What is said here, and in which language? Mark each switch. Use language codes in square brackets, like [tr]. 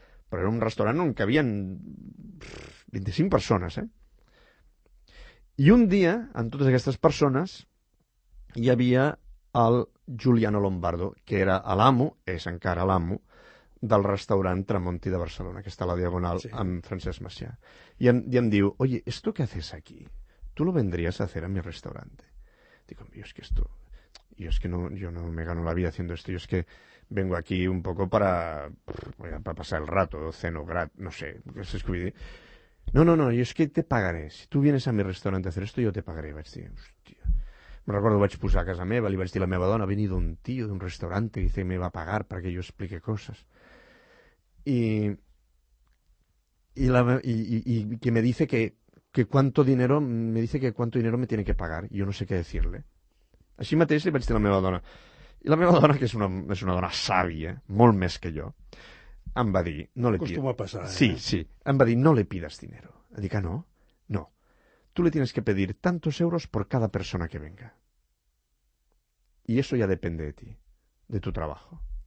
[ca] Però era un restaurant on cabien 25 persones, eh? I un dia, en totes aquestes persones, hi havia el Giuliano Lombardo, que era l'amo, és encara l'amo, del restaurant Tramonti de Barcelona, que està a la Diagonal, sí, amb Francesc Macià. [es] I em diu, oye, ¿esto qué haces aquí? ¿Tú lo vendrías a hacer a mi restaurante? Digo, yo es que esto... Yo es que no, yo no me gano la vida haciendo esto. Yo es que vengo aquí un poco para pasar el rato, cenograt, no sé. No, yo es que te pagaré. Si tú vienes a mi restaurante a hacer esto, yo te pagaré. [ca] Vaig dir, hòstia... Me recordo, vaig posar a casa meva, li vaig dir a la meva dona, [es] ha venido un tío d'un restaurante [ca] i [es] dice, me va a pagar [ca] perquè jo explique coses. [es] Y que me dice que cuánto dinero me tiene que pagar. Yo no sé qué decirle. [ca] Així mateix li vaig dir a la meva dona. I la meva dona, que és una dona sàvia, molt més que jo, em va dir... [es] No le acostuma pides. A passar. [ca] Sí, eh? Sí. Em va dir, [es] no le pides dinero. [ca] Dic, ah, no? No. [es] Tú le tienes que pedir tantos euros por cada persona que venga. Y eso ya depende de ti, de tu trabajo.